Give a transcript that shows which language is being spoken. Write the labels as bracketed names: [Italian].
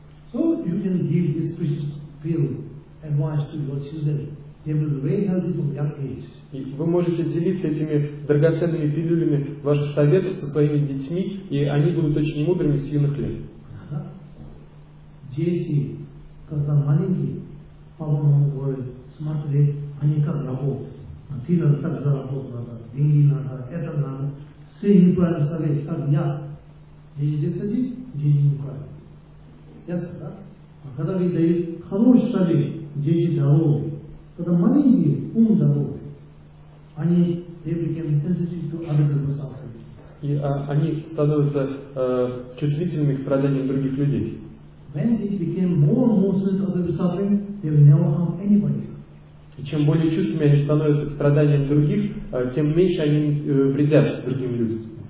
[English] So you can give this precious pill advice to your children. They will be very healthy from young age. [Russian] И вы можете делиться этими драгоценными пилюлями ваших советов со своими детьми, и они будут очень мудрыми с юных лет. Дети, когда маленькие, папа вам говорит, смотри, они как работают. Ты надо так заработать, надо, деньги надо, это надо. Все неправильно ставить, как я. Дети садит, деньги неправильно. Ясно, да? А когда вы даете хороший совет, дети здоровы. Когда маленькие, ум здоровый. Они, [English] they became sensitive to other people's suffering. [Russian] И они становятся чувствительными к страданиям других людей. [English] When they became more emotional to other people's suffering, they will never harm anybody. [Russian] И чем более чувствами они становятся к страданиям других, тем меньше они вредят другим людям.